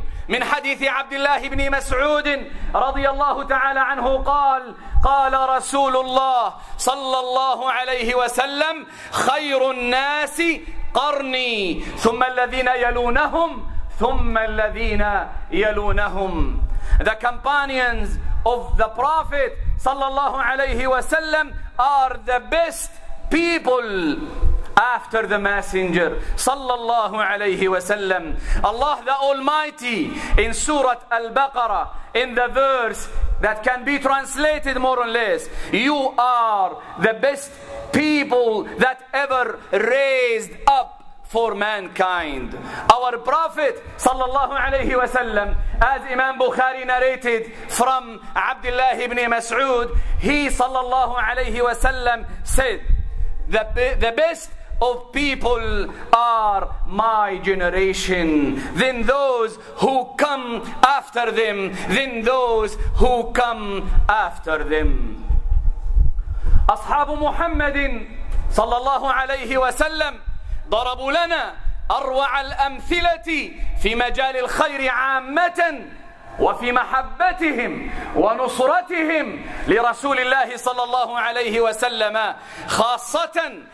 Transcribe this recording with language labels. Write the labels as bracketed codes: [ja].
[ar] من حديث عبد الله بن مسعود رضي الله تعالى عنه قال: قال رسول الله صلى الله عليه وسلم: خير الناس قرني، ثم الذين يلونهم، ثم الذين يلونهم. [en] The companions of the Prophet صلى الله عليه وسلم are the best people after the messenger sallallahu alayhi wa sallam. Allah the Almighty in Surah Al-Baqarah, in the verse that can be translated more or less, you are the best people that ever raised up for mankind. Our Prophet sallallahu alayhi wa sallam, as Imam Bukhari narrated from Abdullah ibn Mas'ud, he sallallahu alayhi wa sallam said, the best of people are my generation, then those who come after them, then those who come after them. [ar] أصحاب محمد صلى الله عليه وسلم ضربوا لنا أروع الأمثلة في مجال الخير عامة وفي محبتهم ونصرتهم لرسول الله صلى الله عليه وسلم خاصة.